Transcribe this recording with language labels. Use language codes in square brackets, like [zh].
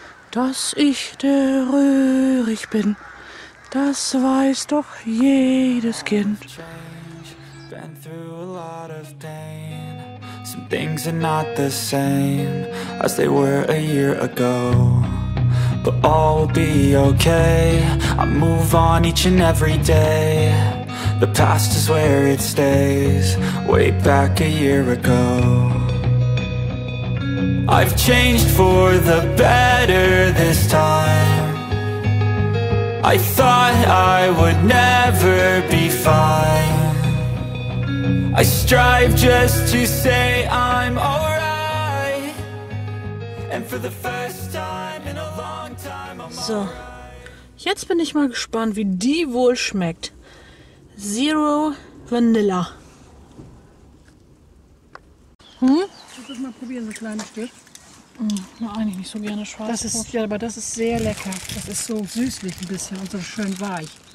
[de] Dass ich der Röhrig bin, das weiß doch jedes Kind. [en] Been through a lot of pain. Some things are not the same as they were a year ago. But all will be okay. I move on each and every day. The past is where it stays, way back a year ago. I've changed for the better this time. I thought I would never be fine. I strive just to say I'm alright. And for the first time in a long time I'm so. [de] Jetzt bin ich mal gespannt, wie die wohl schmeckt. Zero Vanilla. Ich muss das mal probieren, so ein kleines Stück. Eigentlich nicht so gerne schwarz. Das ist, ja, aber das ist sehr lecker. Das ist so süßlich ein bisschen und so schön weich.